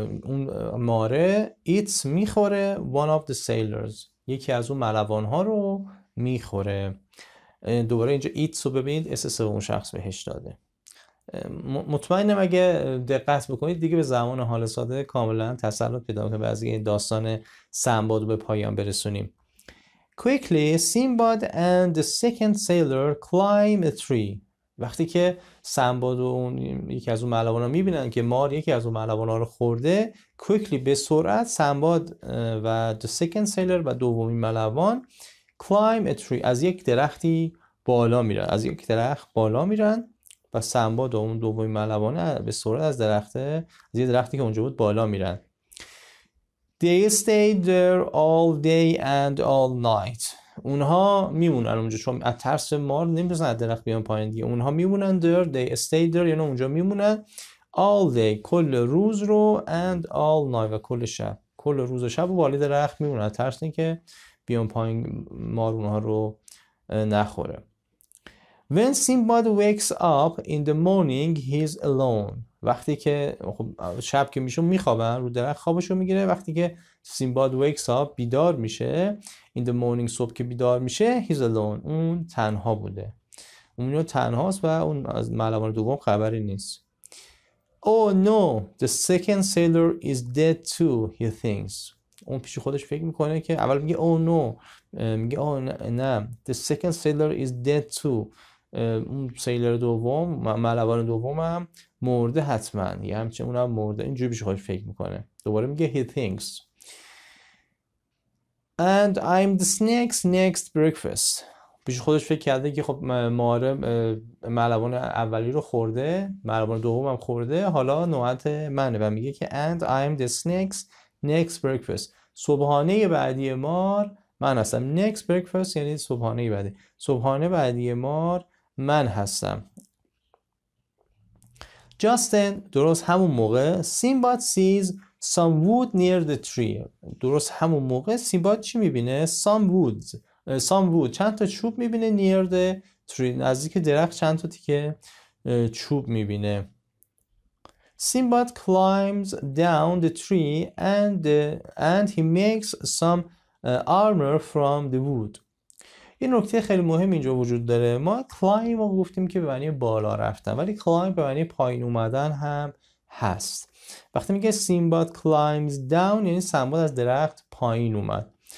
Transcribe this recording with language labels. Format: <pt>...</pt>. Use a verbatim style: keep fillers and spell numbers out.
<fa>اون ماره eats میخوره one of the sailors، یکی از اون ملوانها رو میخوره. دوباره اینجا eats رو ببینید اس اس اون شخص بهش داده. مطمئنم اگه دقت بکنید دیگه به زمان حال ساده کاملا تسلط پیدا می‌کنه و از این داستان سنباد به پایان برسونیم.</fa> <en>Quickly Sinbad and the second sailor climb a tree.</en> <fa>وقتی که سنباد و اون یکی از اون ملوان‌ها می‌بینن که مار یکی از اون ملوان‌ها رو خورده، quickly به سرعت سنباد و the second sailor و دومین ملوان climb a tree، از یک درختی بالا میرن، از یک درخت بالا میرن و سنباد و اون دومین ملوانه به سرعت از درخته از یه درختی که اونجا بود بالا میرن.</fa> <en>They stayed there all day and all night.</en> <fa>اونها میمونن اونجا چون از ترس مار نمیتونن از درخت بیان پایین دیگه. اونها میمونن there، they stayed there یعنی اونجا میمونن all day کل روز رو and all night و کل شب. کل روز و شب رو بالای درخت میمونن از ترس اینکه بیان پایین مار اونها رو نخوره.</fa> <en>When Sinbad wakes up in the morning he is alone.</en> <fa>وقتی که خب شب که میشون میخوابن رو درخت خوابشو میگیره. وقتی که Sinbad wakes up بیدار میشه in the morning صبح که بیدار میشه he is alone، اون تنها بوده، اون تنهاست و اون از ملوان دوم خبری نیست.</fa> <en>Oh no the second sailor is dead too he thinks.</en> <fa>اون پیش خودش فکر میکنه که اول میگه oh no، میگه oh نه the second sailor is dead too، اون سیلر دوم ملوان دوم هم مرده حتما، یه همچنین اون هم مرده، اینجوری بیش خودش فکر میکنه.</fa> <en>دوباره میگه he thinks and I'm the snake's next breakfast.</en> <fa>بیش خودش فکر کرده که خب ماره ملوان اولی رو خورده، ملوان دوم هم خورده، حالا نوبت منه و میگه که and I'm the snake's next breakfast، صبحانه بعدی مار من هستم. next breakfast یعنی صبحانه بعدی، صبحانه بعدی مار من هستم.</fa> <en>Just then درست همون موقع Sinbad sees some wood near the tree.</en> <fa>درست همون موقع Sinbad چی میبینه؟ some woods some wood چند تا چوب میبینه near the tree، نزدیک درخت چند تا تیکه چوب میبینه.</fa> <en>Sinbad climbs down the tree and and he makes some armor from the wood.</en> <fa>این نکته خیلی مهم اینجا وجود داره. ما climb رو گفتیم که به معنی بالا رفتن، ولی climb به معنی پایین اومدن هم هست. وقتی میگه Sinbad climbs down یعنی سنباد از درخت پایین اومد.</fa>